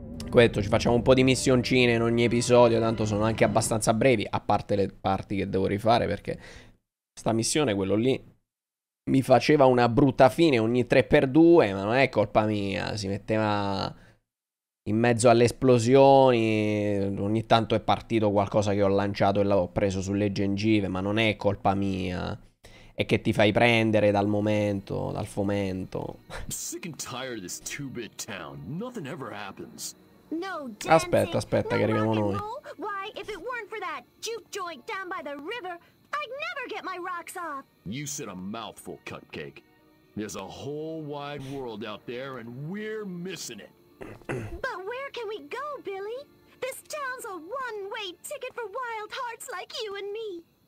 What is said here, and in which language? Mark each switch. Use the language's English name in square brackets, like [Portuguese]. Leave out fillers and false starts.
[Italian] Questo, ci facciamo un po' di missioncine in ogni episodio, tanto sono anche abbastanza brevi, a parte le parti che devo rifare, perché sta missione, quello lì, mi faceva una brutta fine ogni 3x2, ma non è colpa mia, si metteva in mezzo alle esplosioni, ogni tanto è partito qualcosa che ho lanciato e l'ho preso sulle gengive, ma non è colpa mia, è che ti fai prendere dal momento, dal fomento. [English] Sick and tired of this two-bit town. Nothing ever happens. [Italian] No, aspetta, aspetta, che arriviamo noi. [English] Why, if it weren't for that juke joint down by the river, I'd never get my rocks off. You said a mouthful, cupcake. There's a whole wide world out there and we're missing it. But where can we go, Billy? This town's a one-way ticket for wild hearts like you and me.